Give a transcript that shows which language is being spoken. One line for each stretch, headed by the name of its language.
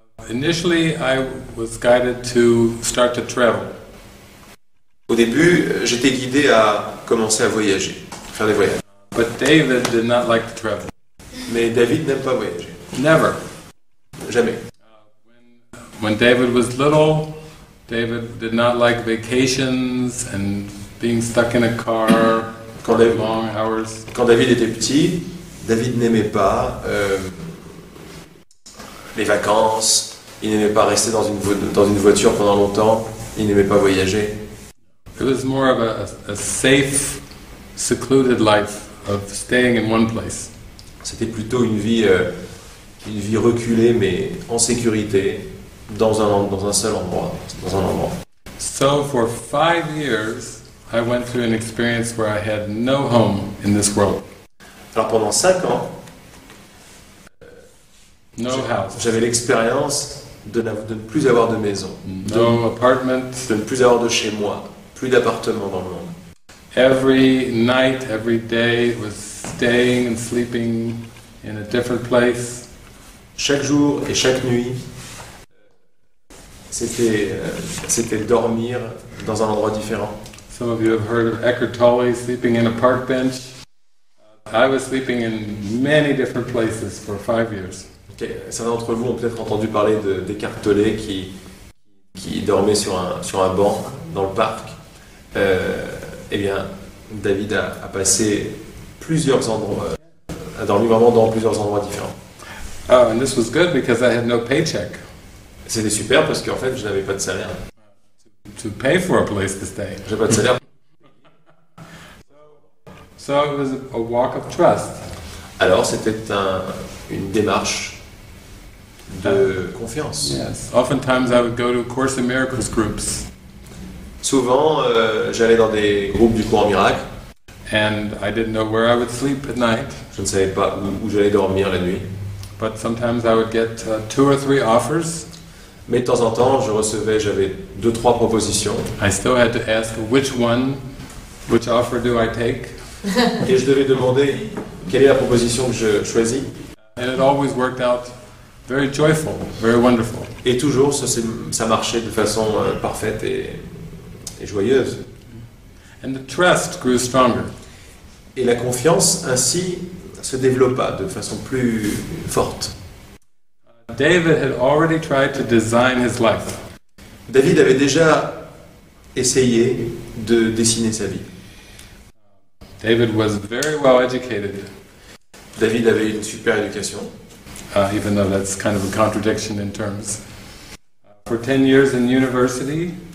English: Initially, I was guided to start to travel.
French: Au début, j'étais guidé à commencer à voyager, à faire des voyages.
English: But David did not like to travel.
French: Mais David n'aime pas voyager.
English: Never.
French: Jamais.
English: When David was little, David did not like vacations and being stuck in a car for long hours.
French: Quand David était petit, David n'aimait pas les vacances. Il n'aimait pas rester dans une voiture pendant longtemps. Il n'aimait pas voyager.
English: It was more of a safe, secluded life of staying in one place.
French: C'était plutôt une vie reculée mais en sécurité dans un seul endroit.
English: So for 5 years, I went through an experience where I had no home in this world.
French: Alors pendant 5 ans,
English: no house.
French: J'avais l'expérience de ne plus avoir de maison,
English: no apartment,
French: de ne plus avoir de chez moi, plus d'appartement dans le monde.
English: Every night, every day was staying and sleeping in a different place.
French: Chaque jour et chaque nuit, c'était dormir dans un endroit différent.
English: Some of you have heard of Eckhart Tolle sleeping in a park bench. I was sleeping in many different places for 5 years. Okay.
French: Certains d'entre vous ont peut-être entendu parler d'Eckhart Tolle qui dormait sur un banc dans le parc. Eh bien, David a passé plusieurs endroits, a dormi vraiment dans plusieurs endroits différents.
English: Oh, and this was good because I had no paycheck.
French: C'était super parce qu'en fait, je n'avais pas de salaire.
English: To pay for a place to stay.
French: J'ai pas de salaire.
English: So it was a walk of trust.
French: Alors, c'était une démarche de confiance.
English: Yes. Oftentimes I would go to Course in Miracles groups.
French: Souvent, j'allais dans des groupes du Cours en Miracle.
English: And I didn't know where I would sleep at night.
French: Je ne savais pas où j'allais dormir la nuit.
English: But sometimes I would get two or three offers.
French: Mais de temps en temps, j'avais deux trois propositions.
English: I still had to ask which offer do I take?
French: Et je devais demander quelle est la proposition que je choisis.
English: And it always worked out. Very joyful, very wonderful.
French: Et toujours, ça marchait de façon parfaite et joyeuse.
English: And the trust grew stronger.
French: Et la confiance ainsi se développa de façon plus forte.
English: David had already tried to design his life.
French: David avait déjà essayé de dessiner sa vie.
English: David was very well educated.
French: David avait une super éducation.
English: Even though that's kind of a contradiction in terms. For 10 years in university.